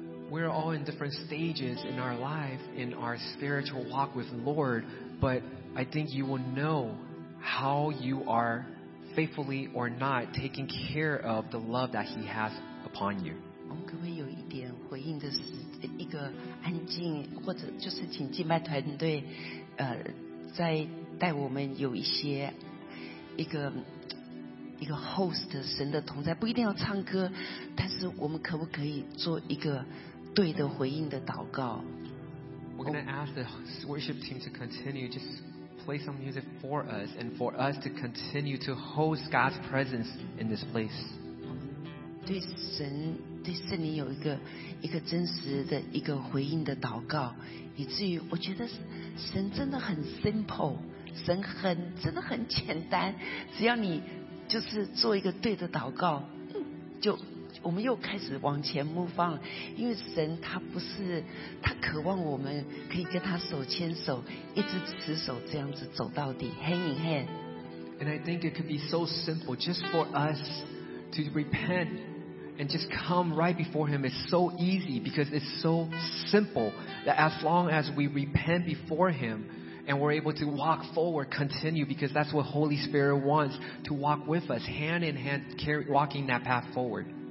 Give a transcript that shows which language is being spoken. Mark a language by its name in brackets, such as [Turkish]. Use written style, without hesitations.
[English] We're all in different stages in our life, in our spiritual walk with the Lord, but I think you will know how you are faithfully or not taking care of the love that He has upon you. [Chinese] 我们可不可以有一点回应的一个安静，或者就是请敬拜团队在带我们有一些一个 host 神的同在，不一定要唱歌，但是我们可不可以做一个对的回应的祷告。 [English] We're going to ask the worship team to continue. Just play some music for us and for us to continue to host God's presence in this place. [Chinese] 对神，对圣灵有一个真实的一个回应的祷告，以至于我觉得神真的很 simple， 神很真的很简单，只要你就是做一个对的祷告，就我们又开始往前 [English] move on， [Chinese] 因为神他不是，他渴望我们可以跟他手牵手，一直持手这样子走到底 ， [English] hand in hand。 And I think it could be so simple, just for us to repent and just come right before Him is so easy, because it's so simple that as long as we repent before Him and we're able to walk forward, continue, because that's what Holy Spirit wants to walk with us, hand in hand, carry, walking that path forward.